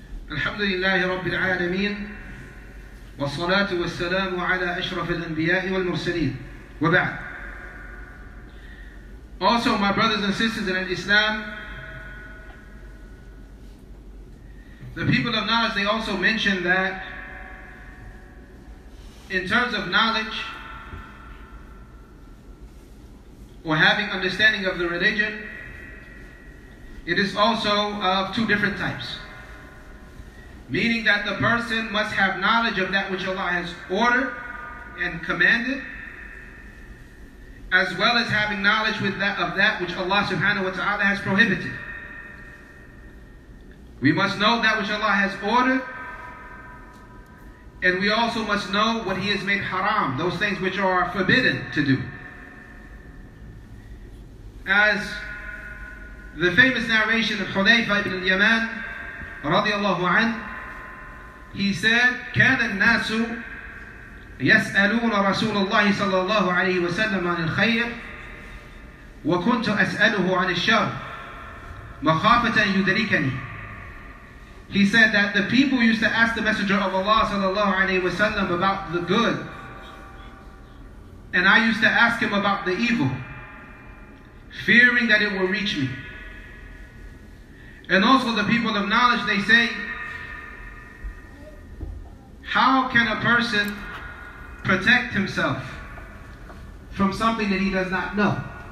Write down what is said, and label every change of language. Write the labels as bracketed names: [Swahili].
[Arabic] الحمد لله رب العالمين والصلاة والسلام على أشرف الأنبياء والمرسلين وبعد. [English] Also, my brothers and sisters in Islam, the people of knowledge, they also mentioned that in terms of knowledge or having understanding of the religion, it is also of two different types. Meaning that the person must have knowledge of that which Allah has ordered and commanded, as well as having knowledge with that of that which Allah subhanahu wa ta'ala has prohibited. We must know that which Allah has ordered, and we also must know what He has made haram, those things which are forbidden to do. As the famous narration of Hudhayfa ibn al-Yaman radiallahu anhu, he said, [Arabic] كان الناس يسألون رسول الله صلى الله عليه وسلم عن الخير وكنت أسأله عن الشر مخافة يدركني. [English] He said that the people used to ask the Messenger of Allah [Arabic] صلى الله عليه وسلم [English] about the good, and I used to ask him about the evil, fearing that it will reach me. And also the people of knowledge, they say, how can a person protect himself from something that he does not know?